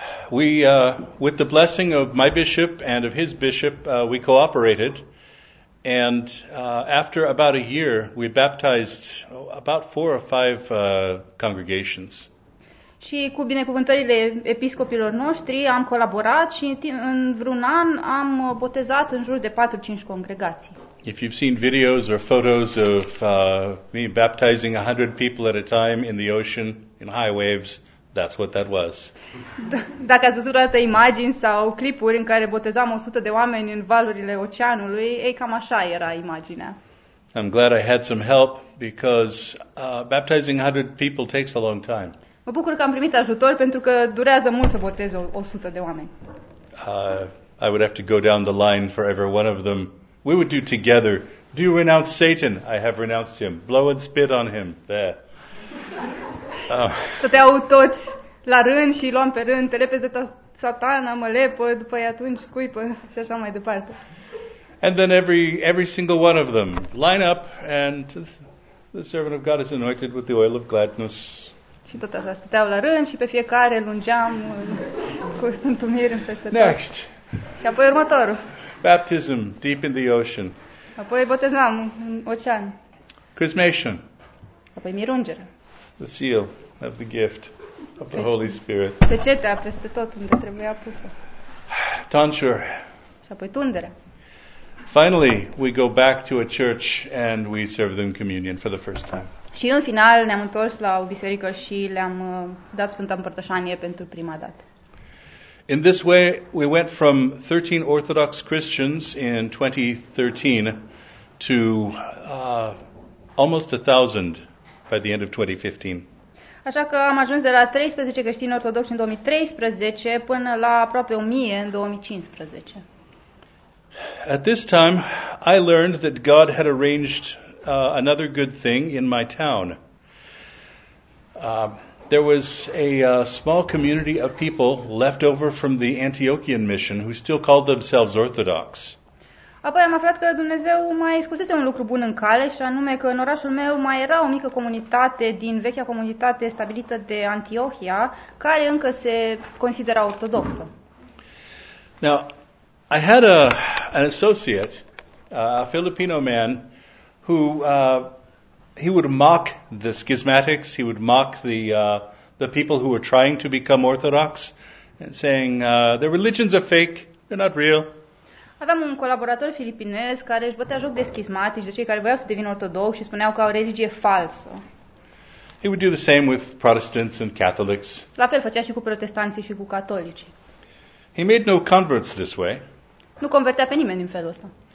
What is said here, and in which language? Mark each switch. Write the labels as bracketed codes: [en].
[en] We with the blessing of my bishop and of his bishop, we cooperated. And after about a year, we baptized about 4 or 5 congregations. [ro] Și cu binecuvântările episcopilor noștri am colaborat și în vreun an am botezat în jur de 4-5 congregații. [en] If you've seen videos or photos of me baptizing 100 people at a time in the ocean in high waves, that's what that was. [ro] Dacă ați văzut vreodată imagini sau clipuri în care botezam 100 de oameni în valurile oceanului, ei cam așa era imaginea. [en] I'm glad I had some help because baptizing 100 people takes a long time. [ro] Mă bucur că am primit ajutor pentru că durează mult să botez 100 de oameni. [en] I would have to go down the line for every one of them. We would do together. "Do you renounce Satan?" "I have renounced him." "Blow and spit on him." There. [ro] Stăteau toți la rând și luam pe rând, te lepezi de Satana, mă lepăd, după aia atunci scuipă și așa mai departe. [en] And then every single one of them line up and the servant of God is anointed with the oil of gladness. [ro] Și tot așa, stăteau la rând și pe fiecare lungeam cu Sfântul Mir în peste tot. [en] Next. [ro] Și apoi următorul. [en] Baptism deep in the ocean. [ro] Apoi botezam în ocean. [en] Chrismation. [ro] Apoi mirungere. [en] The seal of the gift of the Holy Spirit. [ro] Pecetea peste tot unde trebuia pusă. [en] Tonsure. [ro] Și apoi tundere. [en] Finally, we go back to a church and we serve them communion for the first time. [ro] Și în final ne-am întors la o biserică și le-am dat Sfânta Împărtășanie pentru prima dată. [en] In this way, we went from 13 Orthodox Christians in 2013 to almost 1,000 by the end of 2015. [ro] Așa că am ajuns de la 13 creștini ortodoxi în 2013 până la aproape 1000 în 2015. [en] At this time, I learned that God had arranged another good thing in my town. There was a small community of people left over from the Antiochian mission who still called themselves Orthodox. [ro] Apoi am aflat că Dumnezeu mai scosese un lucru bun în cale, și anume că în orașul meu mai era o mică comunitate din vechea comunitate stabilită de Antiohia, care încă se considera ortodoxă. [en] Now, I had an associate, a Filipino man, who he would mock the schismatics, he would mock the people who were trying to become Orthodox, and saying, "Their religions are fake, they're not real." [ro] Aveam un colaborator filipinez care își bătea joc de schismatici, de cei care voiau să devină ortodoxi și spuneau că au religie falsă. [en] He would do the same with Protestants and Catholics. [ro] La fel făcea și cu protestanții și cu catolicii. [en] He made no converts this way. [ro] Nu convertea pe nimeni în felul ăsta.